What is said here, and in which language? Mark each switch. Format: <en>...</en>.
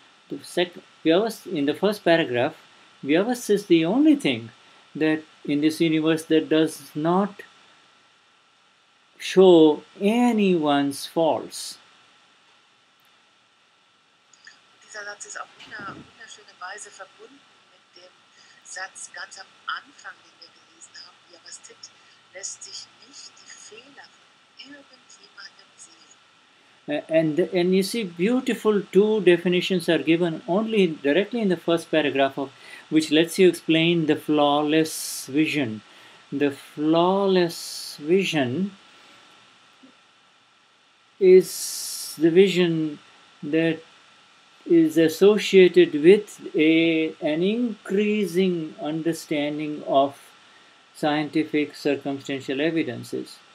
<en>In the first paragraph, Vyavasthit is the only thing that in this universe that does not show anyone's faults.</en> <de>Dieser Satz ist auf eine wunderschöne Weise verbunden mit dem Satz ganz am Anfang, den wir gelesen haben. Vyavasthit lässt sich nicht die Fehler von irgendjemandem sehen.</de> <en>And you see, beautiful two definitions are given only directly in the first paragraph of which lets you explain the flawless vision. The flawless vision is the vision that is associated with an increasing understanding of scientific circumstantial evidences.</en>